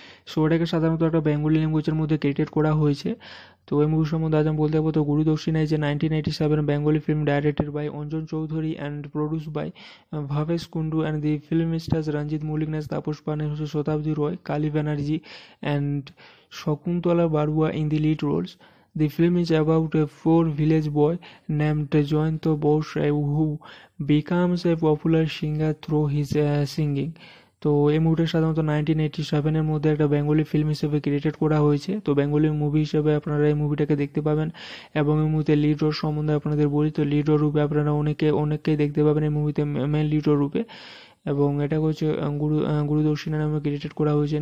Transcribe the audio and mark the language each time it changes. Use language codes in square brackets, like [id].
[bn] So এটাকে সাধারণত একটা বেঙ্গলি ল্যাঙ্গুয়েজের মধ্যে ক্রিয়েটেড করা হয়েছে। তো এই মুভি সম্বন্ধে আজ আমি বলতে যাবো, তো গুরুদক্ষিণা যে 1987 Bengali film, [en] Directed by Anjan Chowdhury and produce by Bhabesh Kundu, and the film stars Ranjit Mallick, নেস তাপস পাল, হচ্ছে Satabdi Roy, Kali Banerjee and Sakuntala Barua in the lead roles. The film is about a poor village boy named Jayanta Bose who becomes a popular singer through his singing. [bn] তো এই মুভিটা সাধারণত 1987 মধ্যে একটা Bengali film হিসেবে created করা হয়েছে। তো বেঙ্গলি মুভি হিসেবে আপনারা এই মুভিটাকে দেখতে পাবেন। এবং এই মুভিতে লিড রোল সম্বন্ধে আপনাদের বলি, তো লিড রোল রূপে আপনারা অনেকে অনেককেই দেখতে পাবেন এই মুভিতে মেন লিড রোল রূপে। এবং এটা হচ্ছে গুরুদক্ষিণা নামে ক্রিয়েটেড করা হয়েছে।